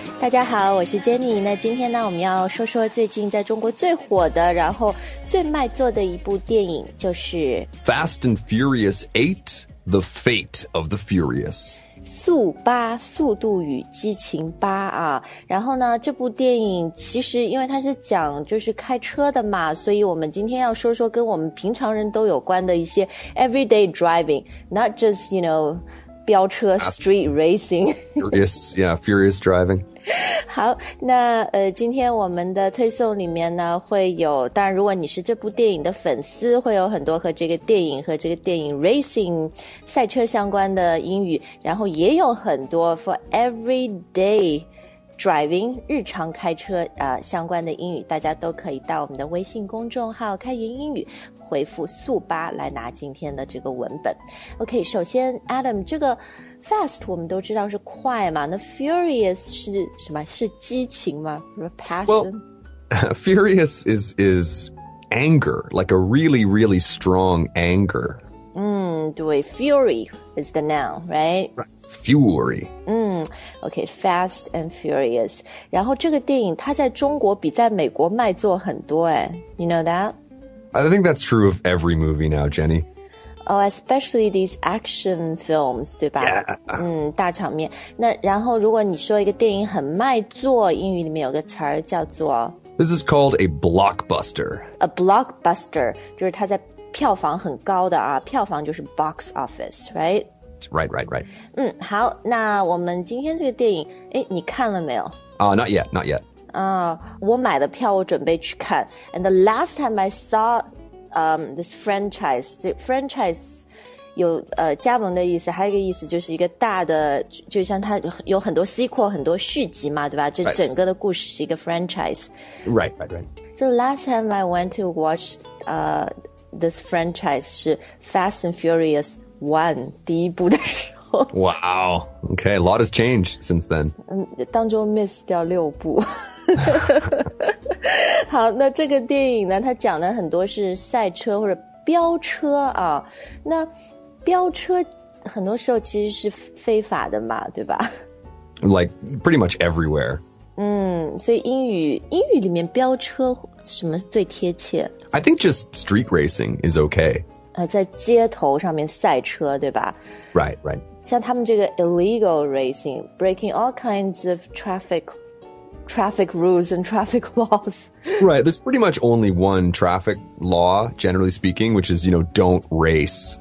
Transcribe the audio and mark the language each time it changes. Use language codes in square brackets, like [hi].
[zh] 大家好，我是 Jenny。那今天呢，我们要说说最近在中国最火的，然后最卖座的一部电影，就是 [en] Fast and Furious 8, The Fate of the Furious. [zh] 速八速度与激情八啊，然后呢这部电影其实因为它是讲就是开车的嘛，所以我们今天要说说跟我们平常人都有关的一些 [en] everyday driving, not just, you know, [zh] 飙车 [en] street racing. Furious, yeah, furious driving. [zh] 好，那今天我们的推送里面呢会有，当然如果你是这部电影的粉丝，会有很多和这个电影和这个电影 racing 赛车相关的英语，然后也有很多 [en] for everyday driving [zh] 日常开车相关的英语，大家都可以到我们的微信公众号开言英语回复速八来拿今天的这个文本。 [en] OK, [zh] 首先 Adam, 这个 fast 我们都知道是快嘛，那 furious 是什么，是激情吗？ [en] passion? Well, furious is anger, like a really really strong anger. [zh] 嗯，对， [en] fury is the noun, right? Fury. OK, Fast and Furious. [zh] 然后这个电影它在中国比在美国卖座很多诶。 [en] You know that? I think that's true of every movie now, Jenny. Oh, especially these action films, [zh] 对吧？ [en] Yeah. [zh] 大场面。那然后如果你说一个电影很卖座，英语里面有个词叫做 [en] This is called a blockbuster. [zh] A blockbuster, 就是它在票房很高的啊，票房就是 [en] box office, right? Right, right, right. [zh] 嗯，好，那我们今天这个电影，诶，你看了没有？ [en] Not yet, not yet. [zh] 我买了票，我准备去看。 [en] And the last time I saw, this franchise, [zh] franchise 有加盟的意思，还有一个意思就是一个大的，就像它有很多 sequel, 很多续集嘛，对吧？这整个的故事是一个 franchise. [en] Right, right, right. So last time I went to watch, this franchise 是 Fast and Furious. [zh] One, 第一部的时候。 [en] Wow, okay, a lot has changed since then. [zh] 当中 miss 掉六部。好，那这个电影呢，它讲的很多是赛车或者飙车啊。那飙车很多时候其实是非法的嘛，对吧？ [en] Like, pretty much everywhere. [zh] 所以英语里面飙车什么最贴切？ [en] I think just street racing is okay. [zh] 在街头上面赛车，对吧？ [en] Right, right. [zh] 像他们这个 [en] illegal racing, breaking all kinds of traffic rules and traffic laws. Right, there's pretty much only one traffic law, generally speaking, which is, you know, don't race.